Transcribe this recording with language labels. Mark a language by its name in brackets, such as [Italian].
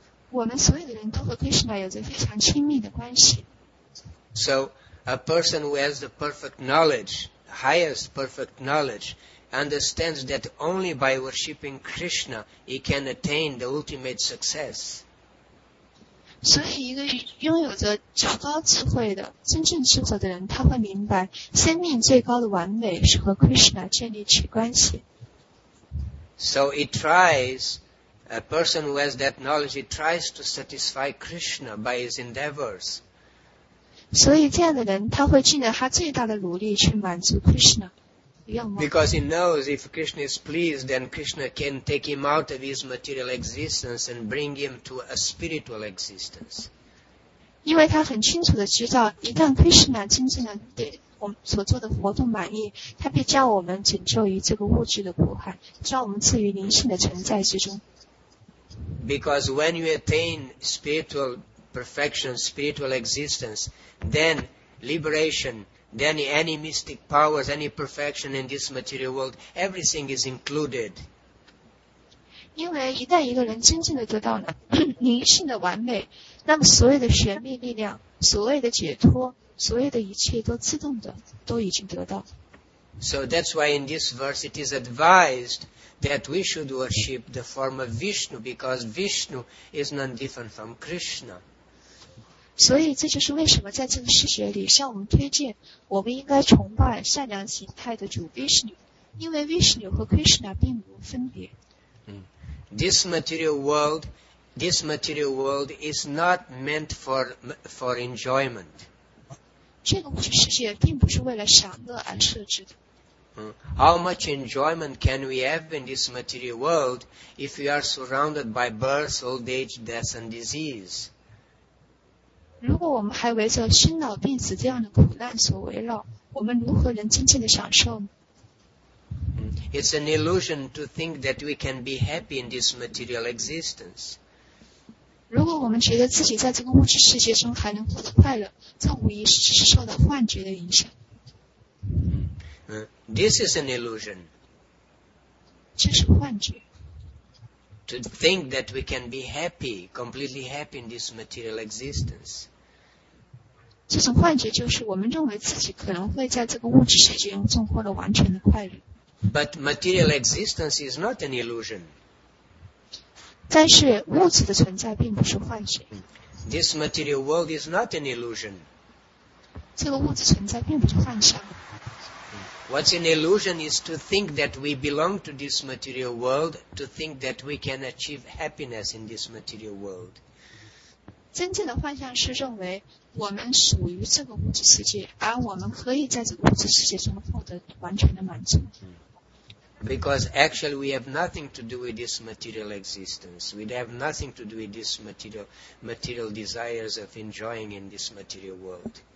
[Chinese] 我们所有的人都和 Krishna 有着非常亲密的关系。 [English] So A person who has the perfect knowledge, the highest perfect knowledge, understands that only by worshipping Krishna he can attain the ultimate success. [Chinese] 所以一个拥有着较高智慧的真正智者的人，他会明白生命最高的完美是和 Krishna 建立起关系。 [English] So he tries, a person who has that knowledge, he tries to satisfy Krishna by his endeavors. [Chinese] 所以这样的人，他会尽了他最大的努力去满足 Krishna 的愿望。 [English] Because he knows if Krishna is pleased, then Krishna can take him out of his material existence and bring him to a spiritual existence. [Chinese] 因为他很清楚地知道，一旦 Krishna 真正的我们所做的活动满意，他必叫我们拯救于这个物质的苦海，叫我们置于灵性的存在之中。 [English] Because when you attain spiritual perfection, spiritual existence, then liberation, then any mystic powers, any perfection in this material world, everything is included. [Chinese] 因为一旦一个人真正的得到了灵性的完美，那么所有的玄秘力量，所谓的解脱，所有的一切都自动的都已经得到。 [English] So that's why in this verse it is advised that we should worship the form of Vishnu because Vishnu is none different from Krishna. [Chinese] 所以这就是为什么在这个世界里向我们推荐我们应该崇拜善良形态的主 Vishnu, 因为 Vishnu 和 Krishna 并无分别。 [English] This material world is not meant for enjoyment. [Chinese] 这个物质世界并不是为了享乐而设置的。 [English] How much enjoyment can we have in this material world if we are surrounded by birth, old age, death and disease? [Chinese] 如果我们还围着生老病死这样的苦难所围绕，我们如何能真正的享受呢？ [English] It's an illusion to think that we can be happy in this material existence. [Chinese] 如果我们觉得自己在这个物质世界中还能获得快乐，这无疑是只是受到幻觉的影响。 [English] This is an illusion. [Chinese] 这是幻觉。 [English] To think that we can be happy, completely happy in this material existence. [Chinese] 这种幻觉就是我们认为自己可能会在这个物质世界中获得完全的快乐。 [English] But material existence is not an illusion. [Chinese] 但是物质的存在并不是幻觉。 [English] This material world is not an illusion. [Chinese] 这个物质存在并不是幻想。 [English] What's an illusion is to think that we belong to this material world, to think that we can achieve happiness in this material world. [Chinese] 真正的幻想是认为我们属于这个物质世界，而我们可以在这个物质世界中获得完全的满足。 [English] Because actually we have nothing to do with this material existence. We have nothing to do with this material desires of enjoying in this material world.